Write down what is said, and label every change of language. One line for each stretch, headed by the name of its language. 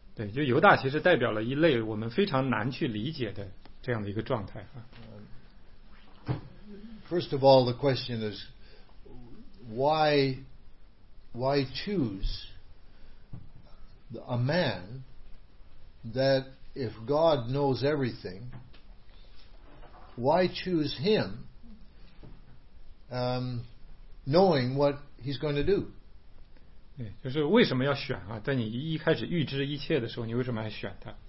Chinese: 对，就犹大其实代表了一类我们非常难去理解的这样的一个状态啊。
English: First of all, the question is, why choose a man that if God knows everything, why choose him, knowing what he's going to do?
Chinese: 对，就是为什么要选啊？在你一开始预知一切的时候，你为什么还选他